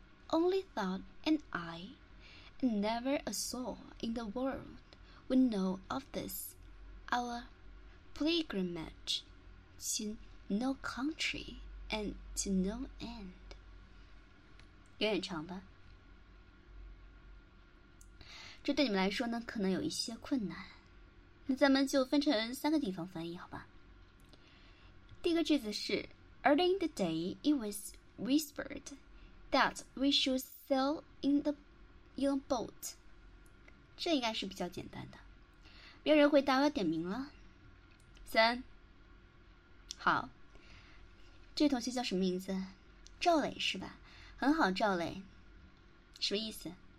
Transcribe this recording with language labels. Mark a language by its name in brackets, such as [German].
[English] Only thought and I, and never a soul in the world would know of this, our pilgrimage to no country and to no end. [Chinese] 有点长吧。这对你们来说呢，可能有一些困难，那咱们就分成三个地方翻译，好吧？第一个句子是 [English] Early in the day, it was whispered that we should sail in the boat. [Chinese] 这应该是比较简单的。没有人回答，我要点名了。三，好，这同学叫什么名字？赵磊是吧？很好，赵磊，什么意思？